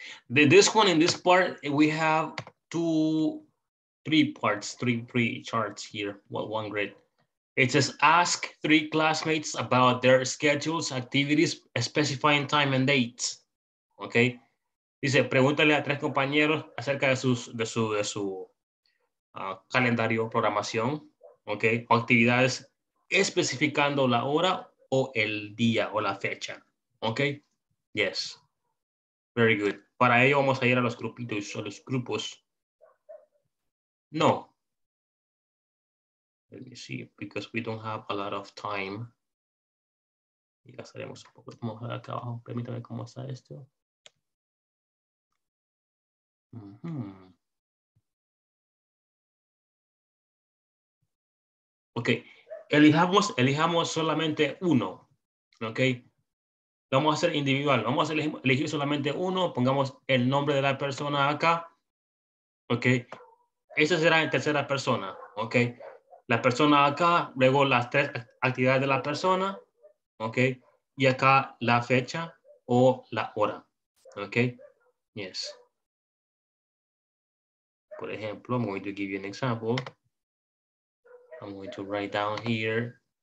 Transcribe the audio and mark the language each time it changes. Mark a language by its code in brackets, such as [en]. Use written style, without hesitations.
[en] This one, in this part, we have three charts here, one grid. It says, ask three classmates about their schedules, activities, specifying time and dates, okay? [es] Dice, pregúntale a tres compañeros acerca de su calendario, programación, okay, actividades, especificando la hora o el día o la fecha, okay? [en] Yes, very good. [es] Para ello vamos a ir a los grupitos, a los grupos. No. [en] Let me see, because we don't have a lot of time. [es] Y gastaremos un poco, vamos a ver acá abajo, permítame cómo está esto. Ok, elijamos solamente uno, ok. Lo vamos a hacer individual, vamos a elegir solamente uno, pongamos el nombre de la persona acá, ok. Esa será en tercera persona, ok. La persona acá, luego las tres actividades de la persona, ok. Y acá la fecha o la hora, ok. [en] Yes. For example, I'm going to give you an example. I'm going to write down here.